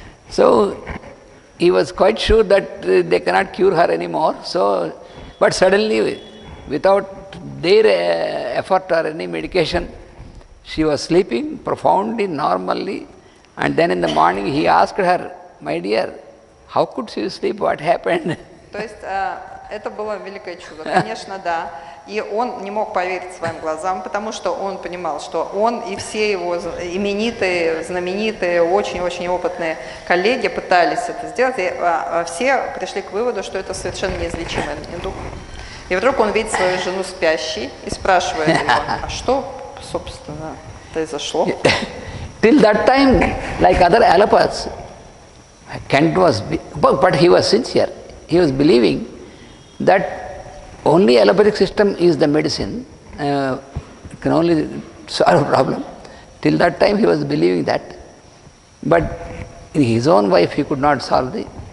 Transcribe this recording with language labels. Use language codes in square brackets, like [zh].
[en] So he was quite sure that they cannot cure her anymore. So, but suddenly, without their effort or any medication, she was sleeping profoundly, normally. And then in the morning he asked her, my dear, how could she sleep? What happened? [ru] То есть это было великое чудо, конечно, да. И он не мог поверить своим глазам, потому что он понимал, что он и все его именитые, знаменитые, очень-очень опытные коллеги пытались это сделать, и все пришли к выводу, что это совершенно неизлечимый недуг. И вдруг он видит свою жену спящей и спрашивает его, а что, собственно, произошло? [en] Till that time, like other allopaths, Kent was, but he was sincere. He was believing that only allopathic system is the medicine, can only solve problem. Till that time he was believing that. But his own wife he could not solve it.